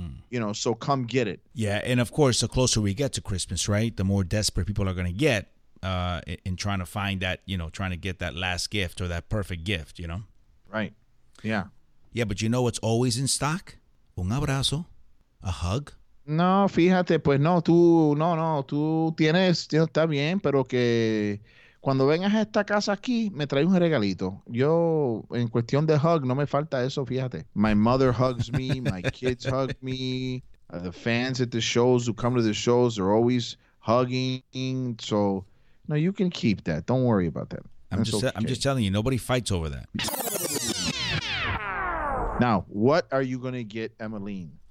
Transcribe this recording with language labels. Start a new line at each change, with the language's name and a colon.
English: You know, so come get it. Yeah, and of course, the closer we get to Christmas, right, the more desperate people are going to get in trying to find that, you know, trying to get that last gift or that perfect gift, you know? Right, yeah. Yeah, but you know what's always in stock?
Spanish: Un abrazo.
English: A hug?
Spanish: No, fíjate, pues no, tú tienes, está bien, pero que cuando vengas a esta casa aquí, me traes un regalito. Yo, en cuestión de hug, no me falta eso, fíjate.
English: My mother hugs me, my kids hug me, the fans at the shows who come to the shows are always hugging, so, no, you can keep that, don't worry about that. I'm just telling you, nobody fights over that. Now, what are you going to get, Emmeline?